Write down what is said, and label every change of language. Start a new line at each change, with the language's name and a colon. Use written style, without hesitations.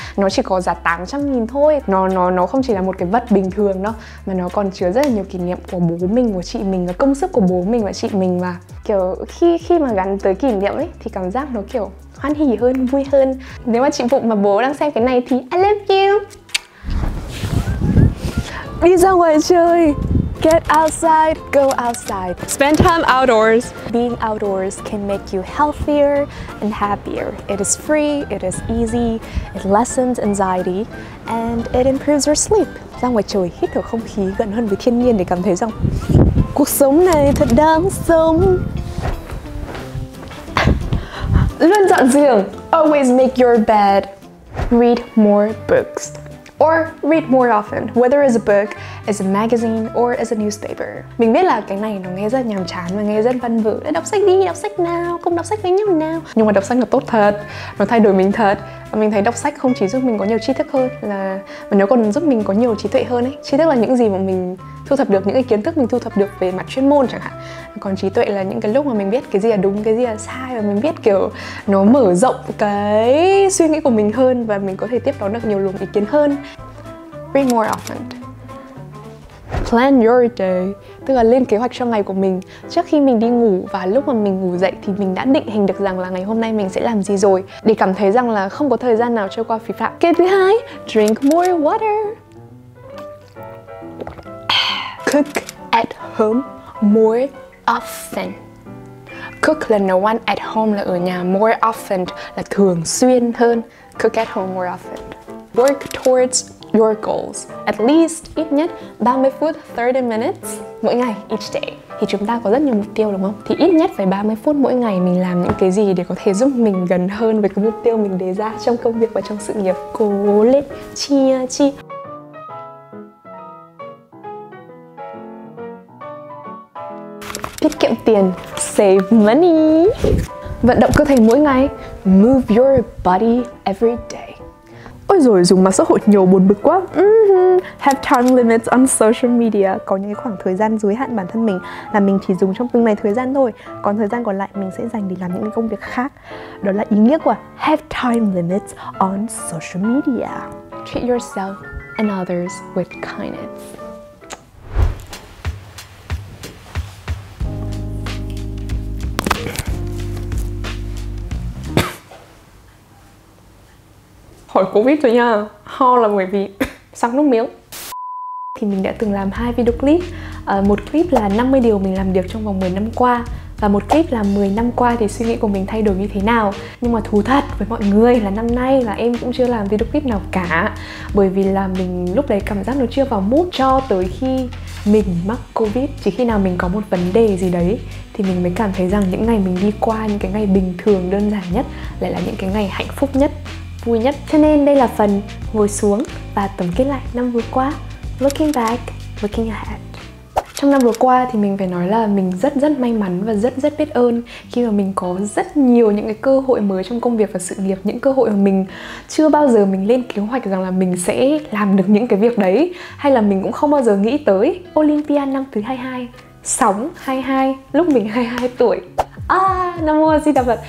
Vietnamese: Nó chỉ có giá 800.000 thôi. Nó không chỉ là một cái vật bình thường đâu, mà nó còn chứa rất là nhiều kỷ niệm của bố mình, của chị mình, và công sức của bố mình và chị mình. Và kiểu khi mà gắn tới kỷ niệm ấy thì cảm giác nó kiểu hoan hỉ hơn, vui hơn. Nếu mà chị Phụng mà bố đang xem cái này thì
English: I love you.
Vietnamese: Đi ra ngoài chơi.
English: Get outside, go outside. Spend time outdoors. Being outdoors can make you healthier and happier. It is free, it is easy, it lessens anxiety, and it improves your sleep.
Vietnamese: Ra ngoài trời hít thở không khí gần hơn với thiên nhiên để cảm thấy rằng cuộc sống này thật đáng sống. Luôn dọn giường.
English: Always make your bed. Read more books. Or read more often, whether as a book, as a magazine, or as a newspaper.
Vietnamese: Mình biết là cái này nó nghe rất nhàm chán và nghe rất văn vự. Đọc sách đi, đọc sách nào, cùng đọc sách với nhau nào. Nhưng mà đọc sách là tốt thật, nó thay đổi mình thật. Và mình thấy đọc sách không chỉ giúp mình có nhiều tri thức hơn, mà nó còn giúp mình có nhiều trí tuệ hơn ấy. Trí thức là những gì mà mình thu thập được, những cái kiến thức mình thu thập được về mặt chuyên môn chẳng hạn. Còn trí tuệ là những cái lúc mà mình biết cái gì là đúng, cái gì là sai, và mình biết kiểu nó mở rộng cái suy nghĩ của mình hơn, và mình có thể tiếp đón được nhiều luồng ý kiến hơn.
English: Read more often. Plan your day.
Vietnamese: Tức là lên kế hoạch cho ngày của mình. Trước khi mình đi ngủ và lúc mà mình ngủ dậy thì mình đã định hình được rằng là ngày hôm nay mình sẽ làm gì rồi, để cảm thấy rằng là không có thời gian nào trôi qua phí phạm. Kế thứ hai,
English: drink more water. Cook at home more often.
Vietnamese: Cook là nấu ăn,
English: at home
Vietnamese: là ở nhà,
English: more often
Vietnamese: là thường xuyên hơn.
English: Cook at home more often. Work towards your goals. At least,
Vietnamese: ít nhất 30 phút,
English: 30 minutes
Vietnamese: mỗi ngày,
English: each day.
Vietnamese: Thì chúng ta có rất nhiều mục tiêu đúng không? Thì ít nhất phải 30 phút mỗi ngày mình làm những cái gì để có thể giúp mình gần hơn với cái mục tiêu mình đề ra trong công việc và trong sự nghiệp. Cố lên, chia chi. Tiết kiệm tiền,
English: save money.
Vietnamese: Vận động cơ thể mỗi ngày,
English: move your body every day.
Vietnamese: Ôi dồi, dùng mạng xã hội nhiều buồn bực quá.
English: Have time limits on social media.
Vietnamese: Có những khoảng thời gian giới hạn bản thân mình là mình chỉ dùng trong từng này thời gian thôi, còn thời gian còn lại mình sẽ dành để làm những công việc khác. Đó là ý nghĩa của
English: have time limits on social media. Treat yourself and others with kindness.
Vietnamese: Hỏi Covid rồi nha. Ho là bởi vì sặc nước miếng. Thì mình đã từng làm hai video clip. Một clip là 50 điều mình làm được trong vòng 10 năm qua, và một clip là 10 năm qua thì suy nghĩ của mình thay đổi như thế nào. Nhưng mà thú thật với mọi người là năm nay là em cũng chưa làm video clip nào cả. Bởi vì là mình lúc đấy cảm giác nó chưa vào mood cho tới khi mình mắc Covid. Chỉ khi nào mình có một vấn đề gì đấy thì mình mới cảm thấy rằng những ngày mình đi qua, những cái ngày bình thường đơn giản nhất lại là những cái ngày hạnh phúc nhất, vui nhất. Cho nên đây là phần ngồi xuống và tổng kết lại năm vừa qua.
English: Looking back, looking ahead.
Vietnamese: Trong năm vừa qua thì mình phải nói là mình rất rất may mắn và rất rất biết ơn khi mà mình có rất nhiều những cái cơ hội mới trong công việc và sự nghiệp. Những cơ hội mà mình chưa bao giờ mình lên kế hoạch rằng là mình sẽ làm được những cái việc đấy, hay là mình cũng không bao giờ nghĩ tới. Olympia năm thứ 22, sóng 22, lúc mình 22 tuổi. Nam Mô A Di Đà Phật.